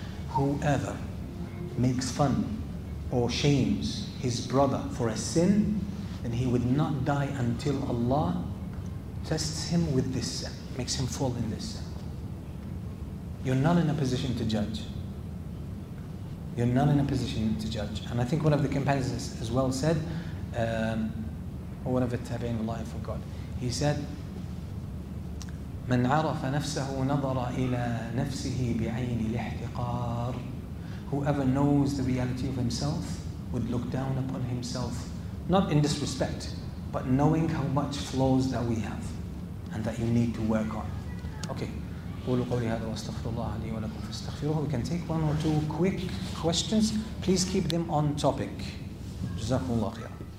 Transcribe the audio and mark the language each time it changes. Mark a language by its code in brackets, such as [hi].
[en] Whoever makes fun or shames his brother for a sin, then he would not die until Allah tests him with this sin, makes him fall in this sin. You're not in a position to judge. You're not in a position to judge. And I think one of the companions as well said, or one of the tabi'in, Allah, I forgot. He said, [ar] مَنْ عَرَفَ نَفْسَهُ نَظَرَ إِلَىٰ نَفْسِهِ بِعَيْنِ الْإِحْتِقَارِ. [en] Whoever knows the reality of himself would look down upon himself, not in disrespect, but knowing how much flaws that we have and that you need to work on. Okay. [ar] قُولُوا قَوْلِ هَذَا وَاسْتَغْفِرُ اللَّهَ لِي وَلَكُمْ فَاسْتَغْفِرُهُ. [en] We can take one or two quick questions. Please keep them on topic. Jazakumullah khair.